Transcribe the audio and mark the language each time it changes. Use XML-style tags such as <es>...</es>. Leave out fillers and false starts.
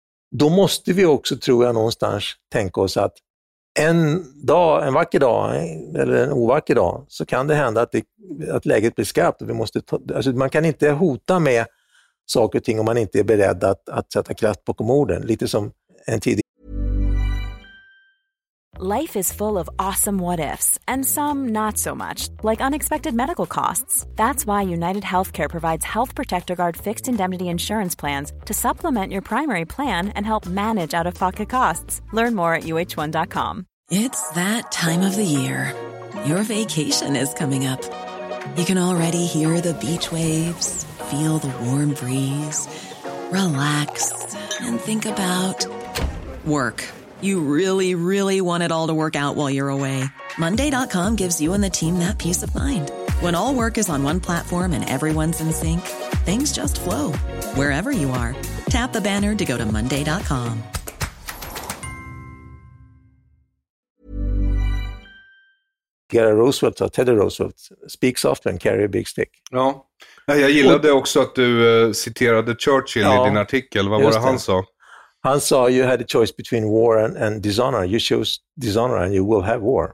<sv>Då måste vi också, tror jag, någonstans tänka oss att en vacker dag eller en ovacker dag, så kan det hända att läget blir skarpt. Man kan inte hota med saker och ting om man inte är beredd att sätta kraft bakom orden. Lite som en tidig.</sv> <en>Life is full of awesome what-ifs, and some not so much, like unexpected medical costs. That's why United Healthcare provides Health Protector Guard fixed indemnity insurance plans to supplement your primary plan and help manage out-of-pocket costs. Learn more at uh1.com. It's that time of the year. Your vacation is coming up. You can already hear the beach waves, feel the warm breeze, relax, and think about work. You really, really want it all to work out while you're away. Monday.com gives you and the team that peace of mind. When all work is on one platform and everyone's in sync, things just flow. Wherever you are, tap the banner to go to Monday.com. Gary Roosevelt och Teddy Roosevelt speaks often and carry a big stick.</en> <sv>Ja. Nej, jag gillade också att du citerade Churchill i din artikel. Vad var det han sa? Han sa,</sv> <en>you had a choice between war and dishonor. You chose dishonor and you will have war.</en>